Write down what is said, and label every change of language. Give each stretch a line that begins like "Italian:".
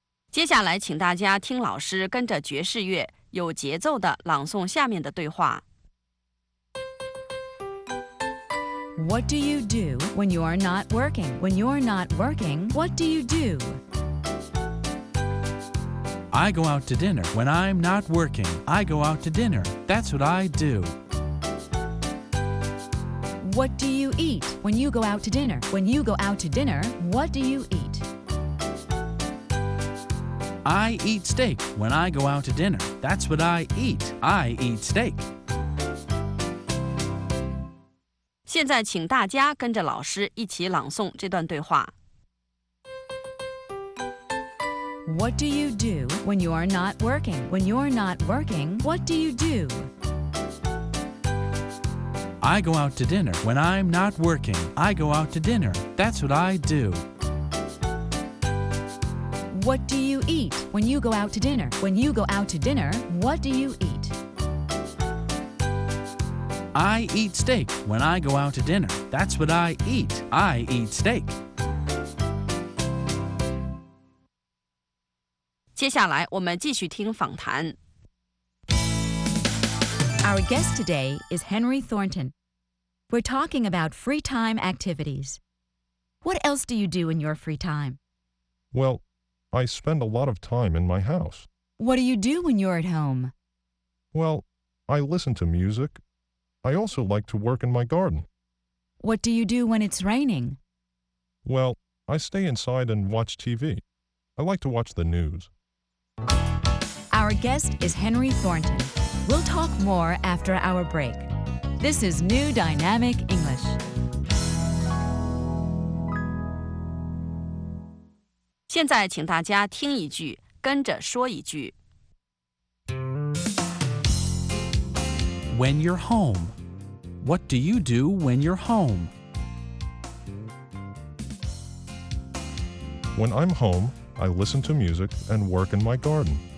Chinese: 接下来请大家听老师跟着爵士乐有节奏地朗诵下面的对话。
English: What do you do when you are not working? When you are not working, what do you do? I go out to dinner. When I'm not working, I go out to dinner. That's what I do. What do you eat when you go out to dinner? When you go out to dinner, what do you eat? I eat steak when I go out to dinner. That's what I eat. I eat steak.
Chinese: 现在请大家跟着老师一起朗诵这段对话。
English: What do you do when you are not working? When you are not working, what do you do? I go out to dinner. When I'm not working, I go out to dinner. That's what I do. What do you eat when you go out to dinner? When you go out to dinner, what do you eat? I eat steak when I go out to dinner. That's what I eat. I eat steak.
Chinese: 接下来我们继续听访谈。
English: Our guest today is Henry Thornton. We're talking about free time activities. What else do you do in your free time? Well, I spend a lot of time in my house. What do you do when you're at home? Well, I listen to music. I also like to work in my garden. What do you do when it's raining? Well, I stay inside and watch TV. I like to watch the news. Our guest is Henry Thornton. We'll talk more after our break. This is New Dynamic English.
Chinese: 现在请大家听一句，跟着说一句。
English: When you're home, what do you do when you're home? When I'm home, I listen to music and work in my garden.